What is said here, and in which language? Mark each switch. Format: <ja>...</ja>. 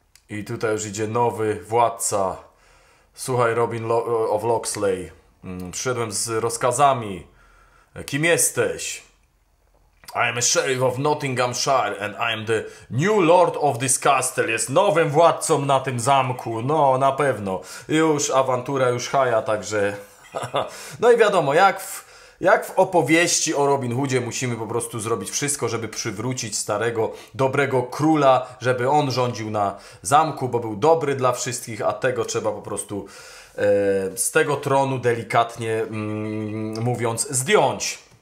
<pl>I tutaj już idzie nowy władca. Słuchaj, Robin of Locksley. Przyszedłem z rozkazami. Kim jesteś?</pl> <en>I am a sheriff of Nottinghamshire and I am the new lord of this castle.</en> <pl>Jest nowym władcą na tym zamku. No, na pewno. Już awantura, już haja, także... No i wiadomo, jak w opowieści o Robin Hoodzie musimy po prostu zrobić wszystko, żeby przywrócić starego, dobrego króla, żeby on rządził na zamku, bo był dobry dla wszystkich, a tego trzeba po prostu z tego tronu delikatnie mówiąc zdjąć.</pl>